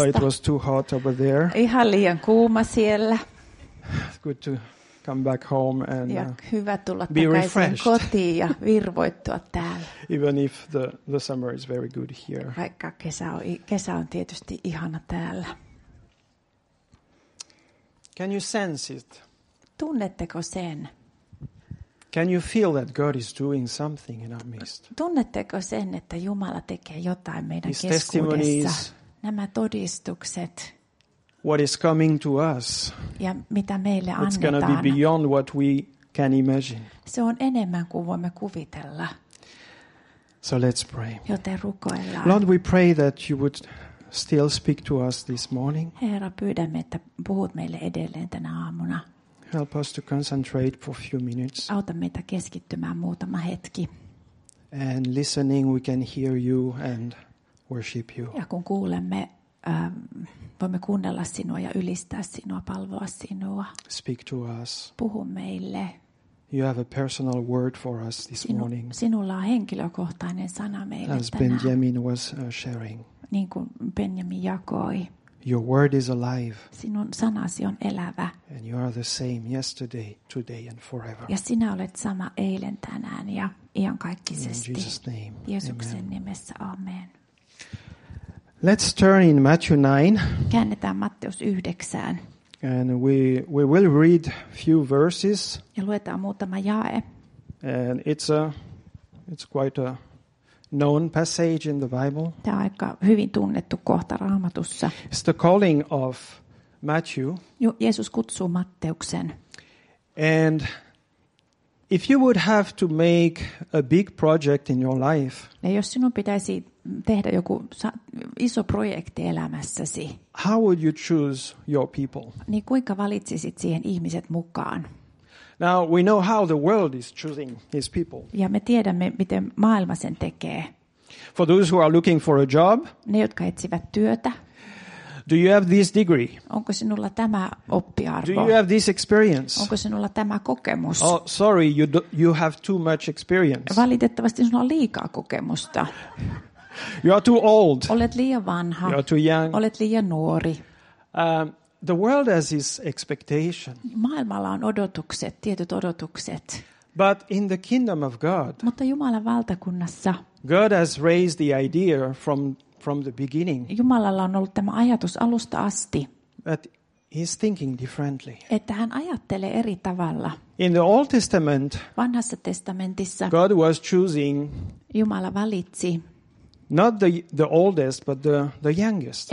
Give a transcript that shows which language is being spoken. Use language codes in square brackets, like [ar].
[en] Oh, it was too hot over there. [fi] Ihan liian kuuma siellä. [en] It's good to come back home and [fi] ja hyvä tulla [en] be [fi] takaisin [en] refreshed. [fi] Kotiin ja virvoittua täällä. [en] Even if the summer is very good here. [fi] Vaikka kesä on tietysti ihana täällä. [en] Can you sense it? [fi] Tunnetteko sen? [en] Can you feel that God is doing something in our midst? [fi] Tunnetteko sen, että Jumala tekee jotain meidän His keskuudessa? Nämä todistukset. [en] What is coming to us? [fi] Ja mitä meille [en] it's [fi] annetaan? [en] It's going to be beyond what we can imagine. [fi] Se on enemmän kuin voimme kuvitella. [en] So let's pray. [fi] Joten rukoillaan. [en] Lord, we pray that you would still speak to us this morning. [fi] Herra, pyydämme, että puhut meille edelleen tänä aamuna. [en] Help us to concentrate for a few minutes. [fi] Auta meitä keskittymään muutama hetki. [en] And listening, we can hear you and worship you. [fi] Ja kun kuulemme, voimme kuunnella sinua ja ylistää sinua, palvoa sinua. [en] Speak to us. [fi] Puhu meille. [en] You have a personal word for us this morning. [fi] Sinulla on henkilökohtainen sana meille tänään. [en] As Benjamin was sharing. [fi] Niin kuin Benjamin jakoi. [en] Your word is alive. [fi] Sinun sanasi on elävä. [en] And you are the same yesterday, today and forever. [fi] Ja sinä olet sama eilen, tänään ja iankaikkisesti. [en] In Jesus' name. [fi] Jeesuksen nimessä, amen. [en] Let's turn in Matthew 9. [fi] Käännetään Matteus 9. [en] And we will read few verses. [fi] Ja luetaan muutama jae. [en] And it's quite a known passage in the Bible. [fi] Tämä on aika hyvin tunnettu kohta Raamatussa. [en] It's the calling of Matthew. [fi] Jeesus kutsuu Matteuksen. [en] And if you would have to make a big project in your life. [fi] Ja jos sinun pitäisi tehdä joku iso projekti elämässäsi. [en] How would you choose your people? [fi] Niin kuinka valitsisit siihen ihmiset mukaan? [en] Now we know how the world is choosing his people. [fi] Ja me tiedämme miten maailma sen tekee. [en] For those who are looking for a job. [fi] Ne jotka etsivät työtä. [en] Do you have this degree? [fi] Onko sinulla tämä oppiarvo? [en] Do you have this experience? [fi] Onko sinulla tämä kokemus? [en] Oh, sorry, you have too much experience. [fi] Valitettavasti sinulla on liikaa kokemusta. [en] You are too old. [fi] Olet liian vanha. [en] You are too young. [fi] Olet liian nuori. [en] The world has its expectation. [fi] Maailmalla on odotukset, tietyt odotukset. [en] But in the kingdom of God. [fi] Mutta Jumalan valtakunnassa. [en] God has raised the idea from the beginning. [fi] Jumalalla on ollut tämä ajatus alusta asti. [en] But he's thinking differently. [fi] Että hän ajattelee eri tavalla. [en] In the Old Testament. [fi] Vanhassa testamentissa. [en] God was choosing. [fi] Jumala valitsi. [en] Not the oldest, but the youngest.